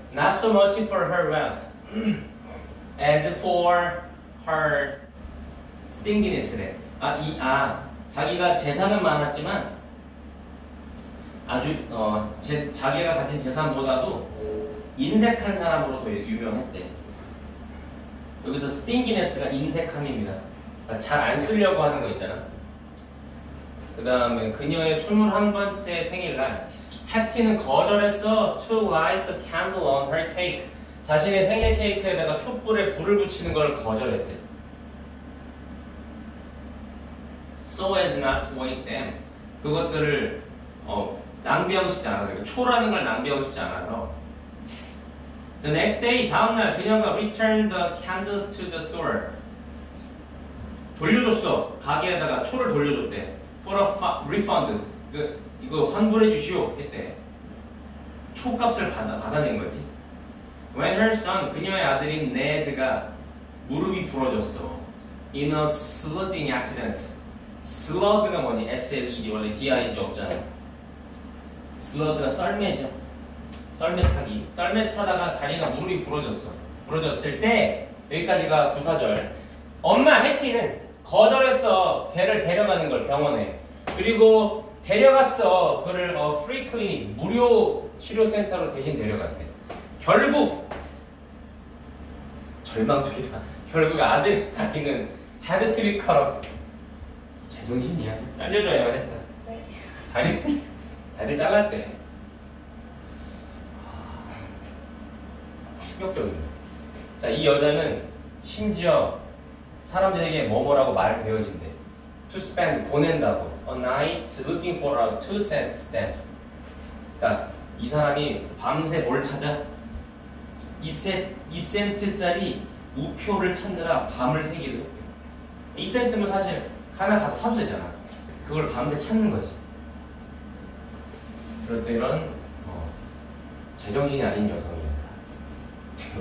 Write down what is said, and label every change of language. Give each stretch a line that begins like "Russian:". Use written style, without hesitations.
English: Not so much for her wealth as for her stinginess래.
Korean: 자기가 재산은 많았지만 아주 자기가 가진 재산보다도 인색한 사람으로 더 유명했대. 여기서 stinginess가 인색함입니다. 잘 안 쓰려고 하는 거 있잖아. 그 다음에 그녀의 21번째 생일날 해티는 거절했어.
English: To light the candle on her cake.
Korean: 자신의 생일 케이크에다가 촛불에 불을 붙이는 걸 거절했대.
English: So as not to waste them.
Korean: 그것들을 낭비하고 싶지 않아서. 초라는 걸 낭비하고 싶지 않아서.
English: The next day,
Korean: 다음날 그녀가
English: returned the candles to the store.
Korean: 돌려줬어. 가게에다가 초를 돌려줬대.
English: For a refund,
Korean: 이거 환불해 주시오 했대. 초값을 받아낸 거지.
English: When her son,
Korean: 그녀의 아들인 네드가 무릎이 부러졌어.
English: In a sledding accident. Sled가
Korean: 뭐니? S-L-E-D, 원래 D-I-N-G 없잖아. Sled가 썰매죠. 썰매 타기. 썰매 타다가 다리가 무릎이 부러졌어. 부러졌을 때 여기까지가 부사절. 엄마 해티는 거절했어. 걔를 데려가는 걸 병원에. 그리고 데려갔어. 그를 free clinic 무료 치료센터로 대신 내려갔대. 결국 절망적이다. 결국 아들 다리는
English: had to be cut off.
Korean: 제정신이야. 잘려줘야만 했다. 다리 다리 잘랐대. 충격적이네. 자, 이 여자는 심지어 사람들에게 뭐뭐라고 말 되어진대.
English: To spend,
Korean: 보낸다고.
English: A night looking for a 2-cent stamp.
Korean: 그러니까 이 사람이 밤새 뭘 찾아? 2센트짜리 우표를 찾느라 밤을 새기도 했대. 2센트면 사실 하나 가서 사도 되잖아. 그걸 밤새 찾는 거지. 그럴 때는 제정신이 아닌 여성이었다.